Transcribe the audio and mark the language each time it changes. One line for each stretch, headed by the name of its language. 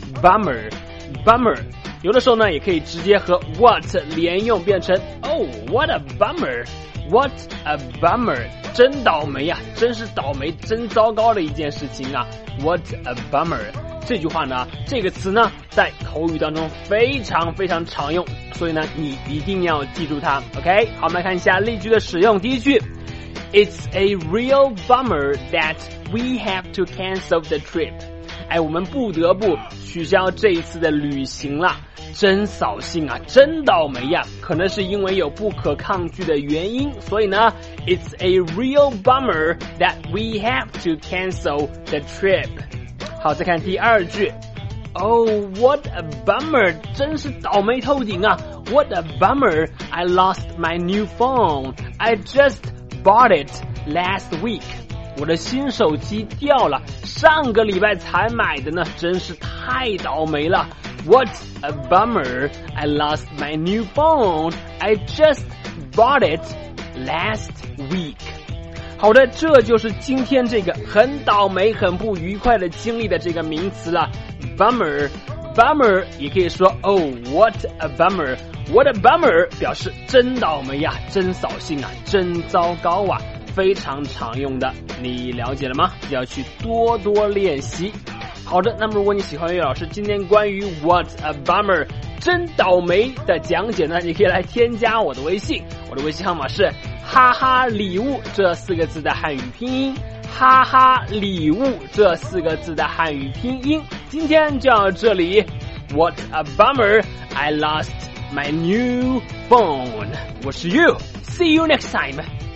Chinese: Bummer Bummer。有的时候呢也可以直接和 what 连用，变成
English: oh what a bummer what a bummer，
Chinese: 真倒霉啊，真是倒霉，真糟糕的一件事情啊，
English: what a bummer。
Chinese: 这句话呢，这个词呢在口语当中非常非常常用，所以呢你一定要记住它。 OK， 好，我们来看一下例句的使用。第一句，
English: It's a real bummer that we have to cancel the trip。
Chinese: 哎，我们不得不取消这一次的旅行了，真扫兴啊，真倒霉呀。可能是因为有不可抗拒的原因，所以呢
English: It's a real bummer that we have to cancel the trip。
Chinese: 好，再看第二句，
English: Oh what a bummer，
Chinese: 真是倒霉透顶啊。
English: What a bummer I lost my new phone， I just bought it last week。
Chinese: 我的新手机掉了，上个礼拜才买的呢，真是太倒霉了。
English: What a bummer I lost my new phone, I just bought it last week。
Chinese: 好的，这就是今天这个很倒霉很不愉快的经历的这个名词了， Bummer Bummer。也可以说
English: Oh what a bummer What a bummer，
Chinese: 表示真倒霉呀，真扫兴啊，真糟糕啊，非常常用的，你了解了吗？要去多多练习。好的，那么如果你喜欢悠悠老师今天关于
English: What a bummer
Chinese: 真倒霉的讲解呢，你可以来添加我的微信，我的微信号码是哈哈礼物这四个字的汉语拼音，哈哈礼物这四个字的汉语拼音。今天就到这里，
English: What a bummer I lost my new phone。
Chinese: 我是
English: You， See you next time。